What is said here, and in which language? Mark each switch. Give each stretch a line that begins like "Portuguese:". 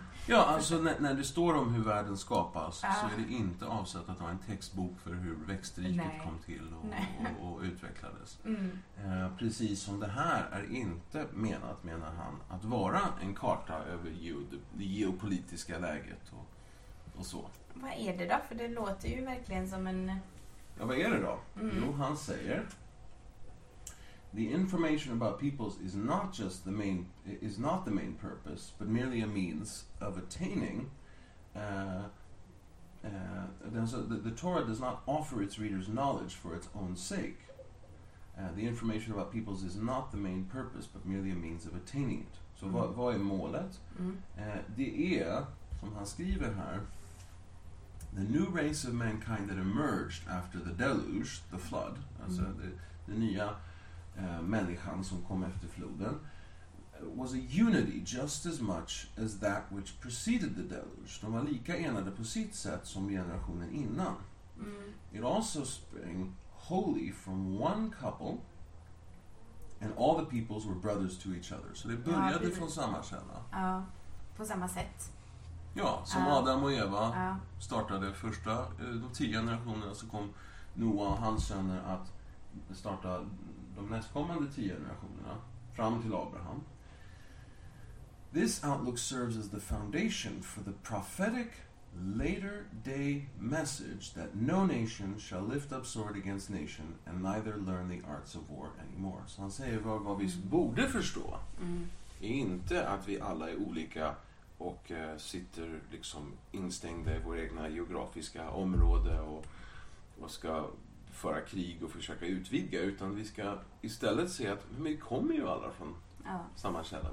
Swedish: Ja, alltså när det står om hur världen skapas så är det inte avsett att ha en textbok för hur växtriket kom till och utvecklades. Mm. Precis som det här är inte menat, menar han, att vara en karta över det geopolitiska läget och så. Vad är det då? För det låter ju verkligen som en... Ja, vad är det då? Mm. Jo, han säger...
English: The information about peoples is not just the main is not the main purpose, but merely a means of attaining. The Torah does not offer its readers knowledge for its own sake. The information about peoples is not the main purpose, but merely a means of attaining it. So,
Swedish: vad är målet? Det är, som han skriver här,
English: the new race of mankind that emerged after the deluge, the flood.
Swedish: Alltså
English: the
Swedish: nya människan som kom efter floden
English: was a unity just as much as that which preceded the deluge.
Swedish: De var lika enade på sitt sätt som generationen innan.
English: It also sprang wholly from one couple and all the peoples were brothers to each other.
Swedish: Så det började från samma källa. Ja, på samma sätt. Ja, som Adam och Eva startade första, de 10 generationerna, så kom Noah och hans söner att starta de nästkommande 10 generationerna fram till Abraham.
English: This outlook serves as the foundation for the prophetic later day message that no nation shall lift up sword against nation and neither learn the arts of war anymore.
Swedish: Så han säger vad vi borde förstå är inte att vi alla är olika och sitter liksom instängda i vår egna geografiska område och ska föra krig och försöka utvidga, utan vi ska istället se att vi kommer ju alla från samma källa.